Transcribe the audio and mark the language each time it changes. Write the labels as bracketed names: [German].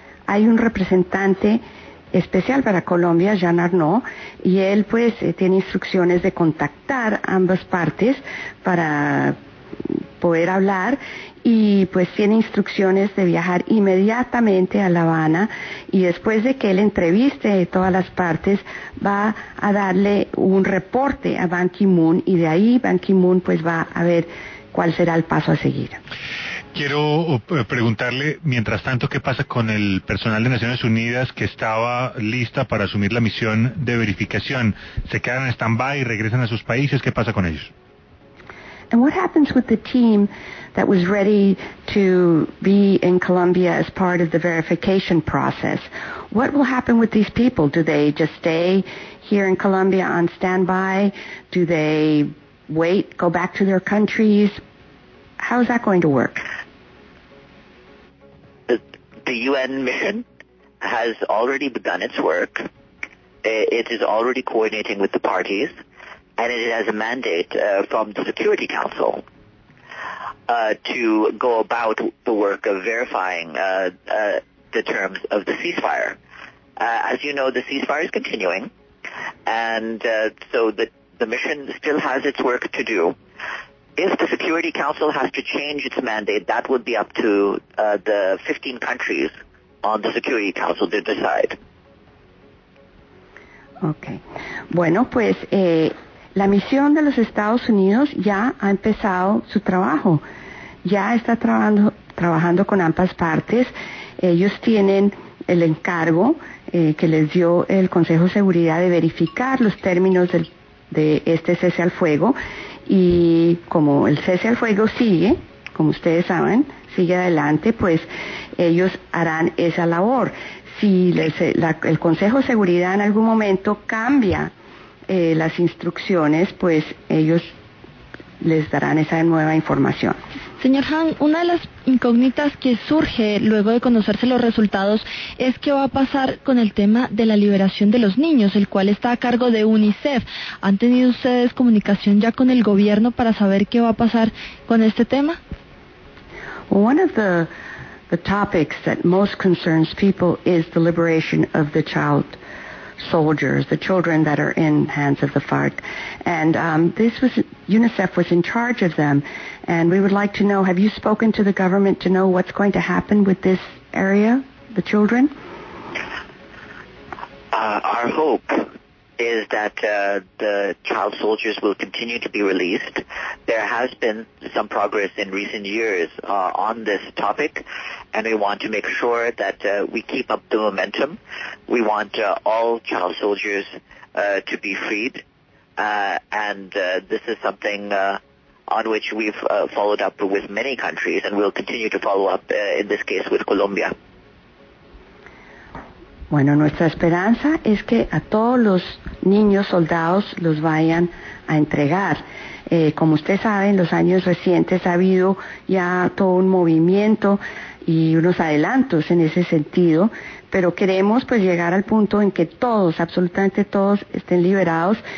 [Spanish] Hay un representante especial para Colombia, Jean Arnault, y él pues tiene instrucciones de contactar ambas partes para poder hablar, y pues tiene instrucciones de viajar inmediatamente a La Habana, y después de que él entreviste todas las partes, va a darle un reporte a Ban Ki-moon, y de ahí Ban Ki-moon pues va a ver cuál será el paso a seguir. Quiero preguntarle, mientras tanto, ¿qué pasa con el personal de Naciones Unidas que estaba lista para asumir la misión de verificación? ¿Se quedan en stand-by y regresan a sus países? ¿Qué pasa con ellos? [English] And what happens with the team that was ready to be in Colombia as part of the verification process? What will happen with these people? Do they just stay here in Colombia on standby? Do they wait, go back to their countries? How is that going to work? The UN mission has already begun its work. It is already coordinating with the parties, and it has a mandate from the Security Council to go about the work of verifying the terms of the ceasefire. As you know, the ceasefire is continuing, and so the mission still has its work to do. If the Security Council has to change its mandate, that would be up to the 15 countries on the Security Council to decide. Okay. [Spanish] Bueno, pues la misión de los Estados Unidos ya ha empezado su trabajo. Ya está trabajando con ambas partes. Ellos tienen el encargo que les dio el Consejo de Seguridad de verificar los términos de este cese al fuego. Y como el cese al fuego sigue, como ustedes saben, sigue adelante, pues ellos harán esa labor. Si el Consejo de Seguridad en algún momento cambia las instrucciones, pues ellos les darán esa nueva información. Señor Han, una de las incógnitas que surge luego de conocerse los resultados es qué va a pasar con el tema de la liberación de los niños, el cual está a cargo de UNICEF. ¿Han tenido ustedes comunicación ya con el gobierno para saber qué va a pasar con este tema? [English] One of the topics that most concerns people is the liberation of the child soldiers, the children that are in hands of the FARC. And UNICEF was in charge of them. And we would like to know, have you spoken to the government to know what's going to happen with this area, the children? Our hope is that the child soldiers will continue to be released. There has been some progress in recent years on this topic, and we want to make sure that we keep up the momentum. We want all child soldiers to be freed, and this is something on which we've followed up with many countries, and we'll continue to follow up in this case with Colombia. [Spanish] Bueno, nuestra esperanza es que a todos los niños soldados los vayan a entregar. Como usted sabe, en los años recientes ha habido ya todo un movimiento y unos adelantos en ese sentido, pero queremos pues llegar al punto en que todos, absolutamente todos, estén liberados.